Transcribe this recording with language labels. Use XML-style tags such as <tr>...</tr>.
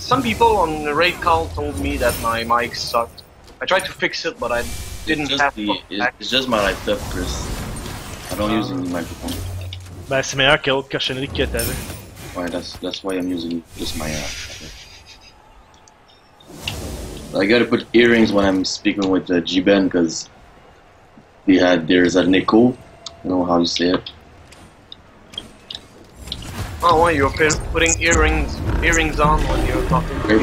<en>Some people on the raid call told me that my mic sucked. I tried to fix it, but I didn't it's just my laptop, Chris. I don't use any microphone.</en> <fr>Bah, c'est meilleur que l'autre cochonnerie que t'avais. Ouais,</fr> <en>that's why I'm using just my I gotta put earrings when I'm speaking with G-Ben, because he had, there's a nickel. I don't know how you say it. Oh, why you're putting earrings on when you're talking?</en>